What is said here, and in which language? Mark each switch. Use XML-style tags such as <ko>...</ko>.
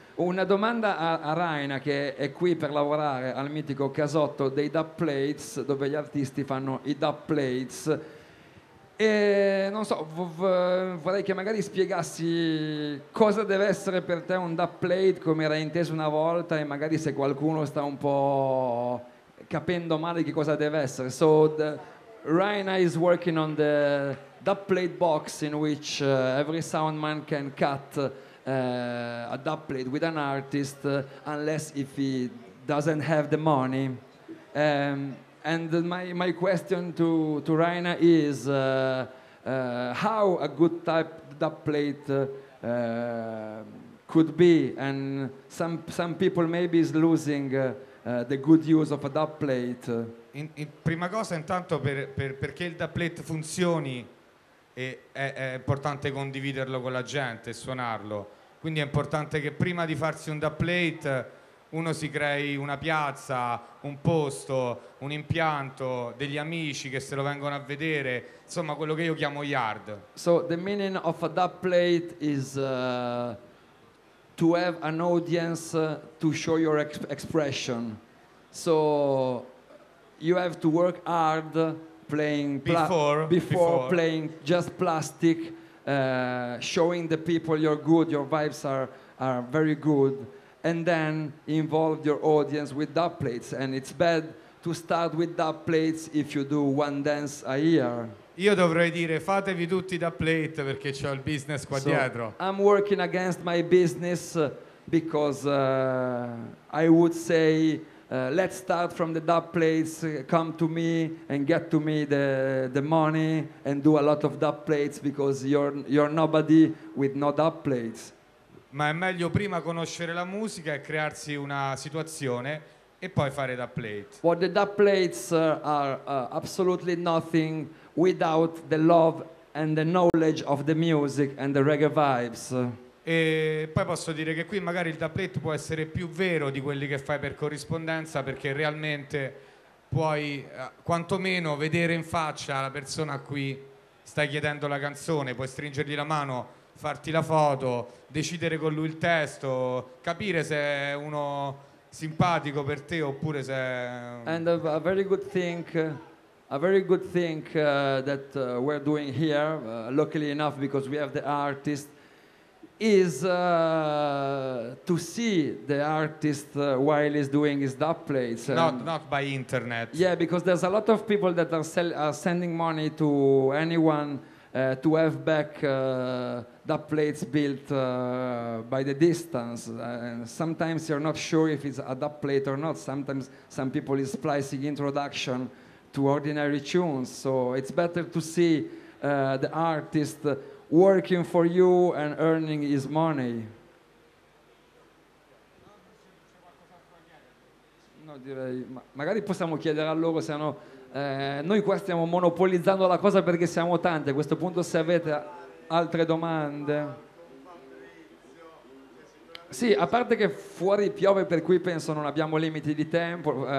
<it>Una domanda a Raina, che è qui per lavorare al mitico casotto dei dub plates, dove gli artisti fanno i dub plates. E non so, vorrei che magari spiegassi cosa deve essere per te un dub plate, come era inteso una volta, e magari se qualcuno sta un po' capendo male che cosa deve essere.</it> <en>So Raina is working on the dub plate box in which every soundman can cut a dub plate with an artist unless if he doesn't have the money, and my question to Raina is how a good type dub plate could be, and some people maybe is losing the good use of a dub plate.</en> <it>In prima cosa, intanto, perché il dub plate funzioni, è importante condividerlo con la gente e suonarlo. Quindi è importante che prima di farsi un dub plate uno si crei una piazza, un posto, un impianto, degli amici che se lo vengono a vedere, insomma quello che io chiamo yard.</it> <en>So the meaning of a dub plate is to have an audience to show your expression. So you have to work hard playing before playing just plastic, showing the people you're good, your vibes are very good, and then involve your audience with dub plates. And it's bad to start with dub plates if you do one dance a year.</en> <it>Io dovrei dire fatevi tutti dub plate perché c'ho il business qua dietro.</it> <en>I'm working against my business because I would say let's start from the dub plates, come to me and get to me the money and do a lot of dub plates because you're nobody with no dub plates.</en> <it>Ma è meglio prima conoscere la musica e crearsi una situazione e poi fare dub plate.</it> <en>What the dub plates are absolutely nothing without the love and the knowledge of the music and the reggae vibes.</en> <it>E poi posso dire che qui magari il dub plate può essere più vero di quelli che fai per corrispondenza, perché realmente puoi quantomeno vedere in faccia la persona a cui stai chiedendo la canzone, puoi stringergli la mano, farti la foto, decidere con lui il testo, capire se è uno simpatico per te oppure se è...</it> <en>And a very good thing that we're doing here, luckily enough because we have the artist, is to see the artist while he's doing his dub plates. Not by internet. Yeah, because there's a lot of people that are sending money to anyone to have back dub plates built by the distance. Sometimes you're not sure if it's a dub plate or not. Sometimes some people is splicing introduction to ordinary tunes, so it's better to see the artist working for you and earning his money.</en> <it>No, direi, magari possiamo chiedere a loro, se no noi qua stiamo monopolizzando la cosa perché siamo tanti. A questo punto, se avete altre domande. Sì, a parte che fuori piove, per cui penso non abbiamo limiti di tempo.</it>